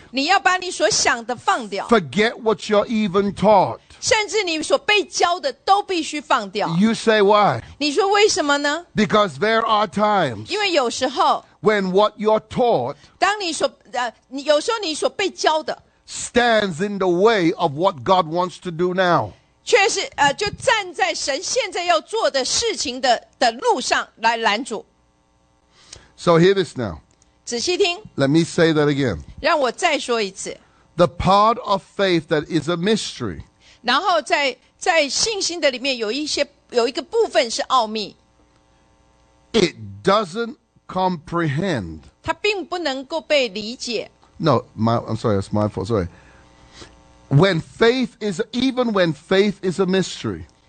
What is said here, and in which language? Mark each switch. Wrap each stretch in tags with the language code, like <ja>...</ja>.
<zh>你要把你所想的放掉</zh> <en>Forget what you're even taught.</en> <zh>甚至你所被教的都必须放掉</zh> <en>You say why?</en> <zh>你说为什么呢</zh> <en>Because there are times.</en> <zh>因为有时候</zh> <en>When what you're taught</en> <zh>当你所你有时候你所被教的</zh> <en>stands in the way of what God wants to do now</en> <zh>却是就站在神现在要做的事情的路上来拦阻</zh> <en>So hear this now</en> <zh>仔细听</zh> <en>Let me say that again</en> <zh>让我再说一次</zh> <en>The part of faith that is a mystery</en> <zh>然后在信心的里面有一个部分是奥秘</zh> <en>It doesn'tComprehend.</en> <zh>它并不能够被理解</zh> <en>No, I'm sorry, that's my fault, sorry. Even when faith is a mystery,</en>